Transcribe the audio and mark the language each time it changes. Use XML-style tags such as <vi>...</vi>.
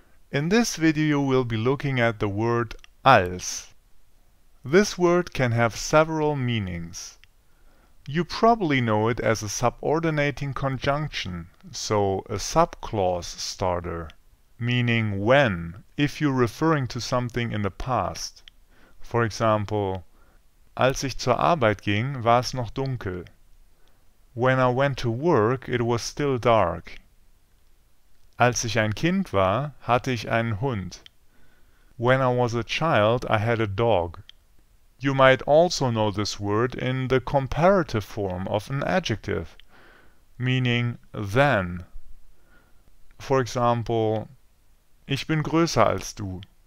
<en>In this video, we'll be looking at the word als. This word can have several meanings. You probably know it as a subordinating conjunction, so a subclause starter, meaning when, if you're referring to something in the past. For example,</en> <de>als ich zur Arbeit ging, war es noch dunkel.</de> <en>When I went to work, it was still dark.</en> <de>Als ich ein Kind war, hatte ich einen Hund.</de> <en>When I was a child, I had a dog. You might also know this word in the comparative form of an adjective, meaning then. For example,</en> <de>ich bin größer als du.</de>